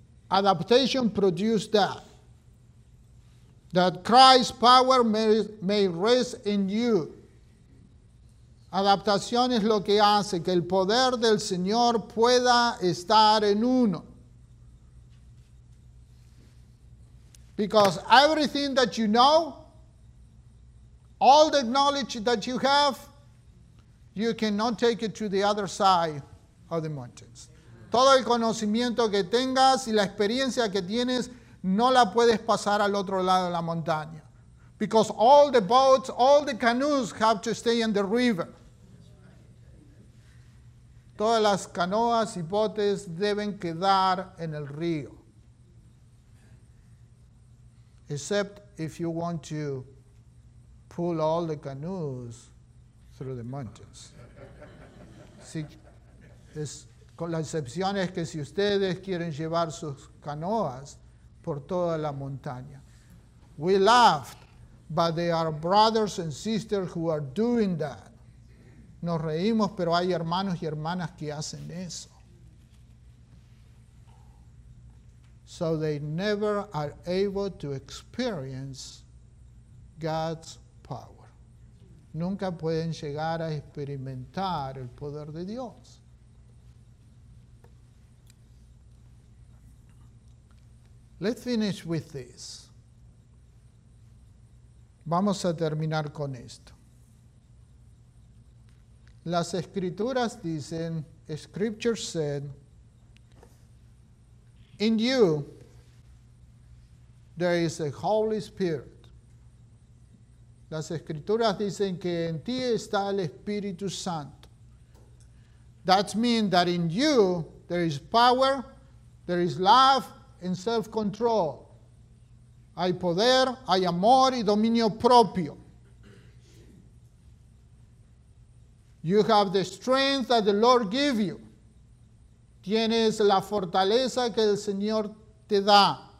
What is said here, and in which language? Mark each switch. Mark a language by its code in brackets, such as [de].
[en] Adaptation produced that. That Christ's power may rest in you. [es] Adaptación es lo que hace que el poder del Señor pueda estar en uno. [en] Because everything that you know, all the knowledge that you have, you cannot take it to the other side of the mountains. [es] Todo el conocimiento que tengas y la experiencia que tienes, no la puedes pasar al otro lado de la montaña. [en] Because all the boats, all the canoes have to stay in the river. [es] Todas las canoas y botes deben quedar en el río. [en] Except if you want to pull all the canoes through the mountains. [es] Si, es, con la excepción es que si ustedes quieren llevar sus canoas por toda la montaña. [en] We laughed, but there are brothers and sisters who are doing that. [es] Nos reímos, pero hay hermanos y hermanas que hacen eso. [en] So they never are able to experience God's power. [es] Nunca pueden llegar a experimentar el poder de Dios. [en] Let's finish with this. [es] Vamos a terminar con esto. Las escrituras dicen, [en] Scripture said, in you, there is a Holy Spirit. [es] Las escrituras dicen que en ti está el Espíritu Santo. [en] That means that in you, there is power, there is love and self-control. [es] Hay poder, hay amor y dominio propio. [en] You have the strength that the Lord gave you. [es] Tienes la fortaleza que el Señor te da.